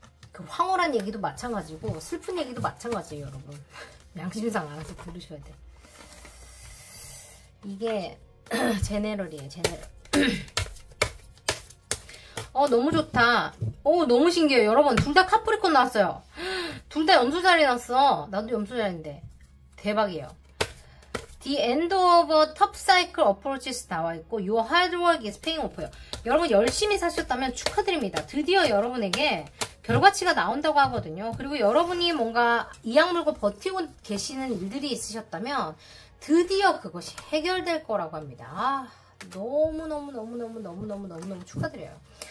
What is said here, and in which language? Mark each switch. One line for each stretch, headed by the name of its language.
Korean: 그 황홀한 얘기도 마찬가지고, 슬픈 얘기도 마찬가지예요, 여러분. 양심상 알아서 들으셔야 돼. 이게 제네럴이에요, 제네럴. 너무 좋다. 너무 신기해요. 여러분, 둘다 카프리콘 나왔어요. 둘다 염소자리 났어. 나도 염소자리인데. 대박이에요.
English: The end of a tough cycle approaches
Korean: 나와 있고,
English: Your hard work is paying off.
Korean: 여러분, 열심히 사셨다면 축하드립니다. 드디어 여러분에게 결과치가 나온다고 하거든요. 그리고 여러분이 뭔가 이악물고 버티고 계시는 일들이 있으셨다면, 드디어 그것이 해결될 거라고 합니다. 아, 너무너무너무너무너무너무너무너무 축하드려요.